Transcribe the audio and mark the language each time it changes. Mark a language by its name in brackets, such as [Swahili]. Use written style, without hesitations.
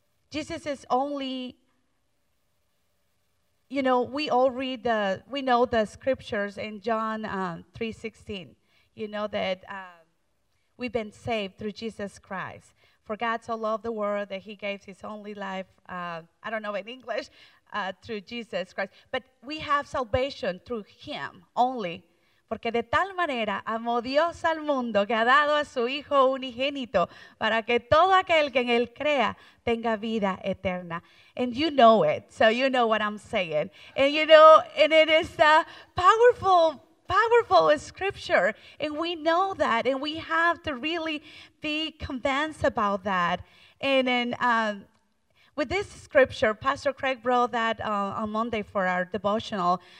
[English] Jesus is only, you know, we all read we know the scriptures in John 3:16. You know that we've been saved through Jesus Christ. For God so loved the world that he gave his only life, I don't know in English, through Jesus Christ. But we have salvation through him only. [Spanish] Porque de tal manera amó Dios al mundo que ha dado a su Hijo unigénito para que todo aquel que en él crea tenga vida eterna. [English] And you know it, so you know what I'm saying. And you know, and it is a powerful, powerful scripture. And we know that, and we have to really be convinced about that. And then with this scripture, Pastor Craig brought that on Monday for our devotional.